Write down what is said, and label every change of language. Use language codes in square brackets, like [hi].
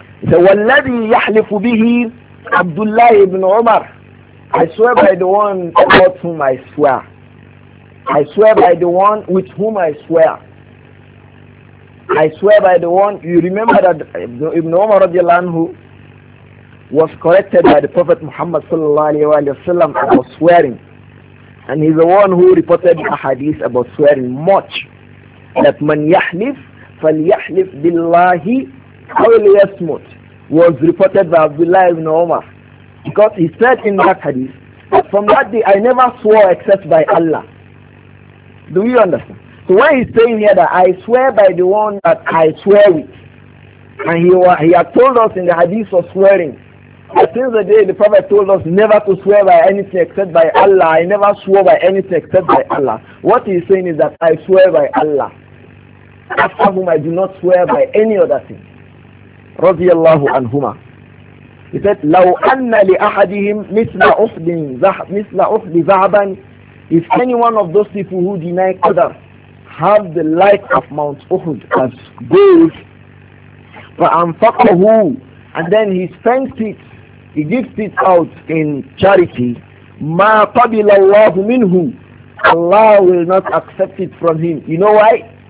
[ar] So وَالَّذِي يَحْلِفُ بِهِ عَبْدُ اللَّهِ ibn Umar. [en] I swear by the one about whom I swear. I swear by the one with whom I swear. I swear by the one, you remember that Ibn Umar radiallahu anhu was corrected by the Prophet Muhammad sallallahu alayhi wa sallam about swearing. And he's the one who reported the hadith about swearing much. That [ar] man yahlif, fal yahlif billahi, awil yasmut, [en] was reported by Abdullah ibn Umar. Because he said in that hadith, from that day I never swore except by Allah. Do you understand? So when he's saying here that I swear by the one that I swear with, and he had told us in the hadith of swearing, since the day the Prophet told us never to swear by anything except by Allah, I never swore by anything except by Allah. What he's saying is that I swear by Allah, after whom I do not swear by any other thing. Radiallahu anhuma. He said, [ar] لَوْ أَنَّ لِأَحَدِهِمْ مِثْلَ أُخْدٍ ذَعْبًا. [en] If any one of those people who deny Qadr have the like of Mount Uhud as gold, [ar] فَأَنْفَقَهُ, [en] and then he spends it, he gives it out in charity, [ar] مَا قَبِلَ اللَّهُ مِنْهُ, [en] Allah will not accept it from him. You know why?